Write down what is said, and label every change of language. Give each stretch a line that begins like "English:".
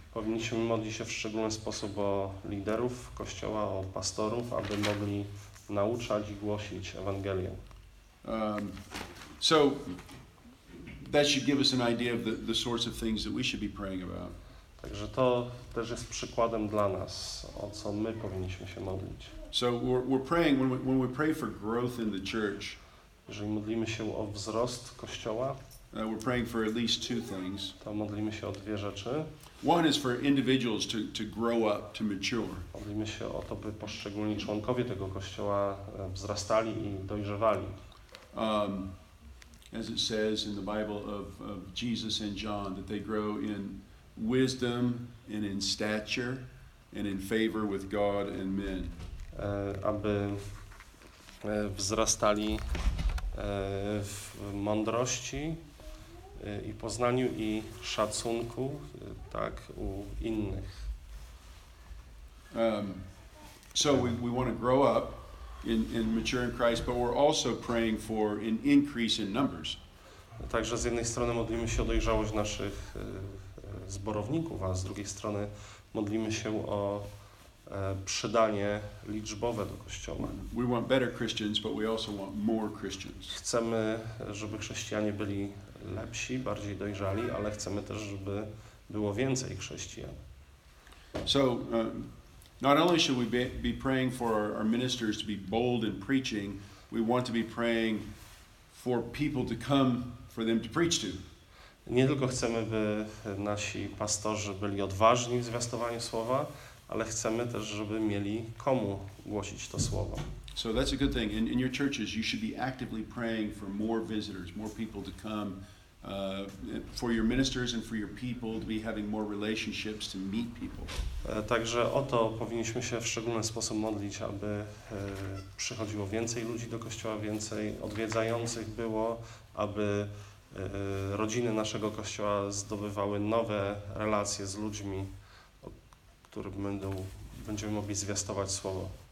Polish: Powinniśmy modlić się w szczególny sposób o liderów Kościoła, o pastorów, aby mogli nauczać i głosić Ewangelię.
English: So that should give us an idea of the sorts of things that we should be praying about.
Polish: Także to też jest przykładem dla nas, o co my powinniśmy się modlić.
English: So we're praying, when we pray for growth in the church,
Polish: jeżeli modlimy się o wzrost Kościoła,
English: we're praying for at least two things.
Polish: To modlimy się o dwie rzeczy.
English: One is for individuals to grow up, to mature.
Polish: Modlimy się o to, by poszczególni członkowie tego Kościoła wzrastali i dojrzewali.
English: As it says in the Bible of Jesus and John, that they grow in wisdom and in stature and in favor with God and men.
Polish: Aby wzrastali w mądrości i poznaniu i szacunku, tak, u innych.
English: So we want to grow up in mature in Christ, but we're also praying for an increase in numbers.
Polish: Także z jednej strony modlimy się o dojrzałość naszych zborowników, a z drugiej strony modlimy się o przydanie liczbowe do Kościoła.
English: We want better Christians, but we also want more Christians.
Polish: Chcemy, żeby chrześcijanie byli lepsi, bardziej dojrzali, ale chcemy też, żeby było więcej chrześcijan.
English: So, not only should we be praying for our ministers to be bold in preaching, we want to be praying for people to come for them to preach to.
Polish: Nie tylko chcemy, by nasi pastorzy byli odważni w zwiastowaniu słowa, ale chcemy też, żeby mieli komu głosić to słowo.
English: So that's a good thing. In your churches you should be actively praying for more visitors, more people to come, for your ministers and for your people to be having more relationships to meet people.
Polish: Także o to powinniśmy się w szczególny sposób modlić, aby przychodziło więcej ludzi do kościoła, więcej odwiedzających było, aby rodziny naszego kościoła zdobywały nowe relacje z ludźmi, o których będziemy mogli zwiastować słowo.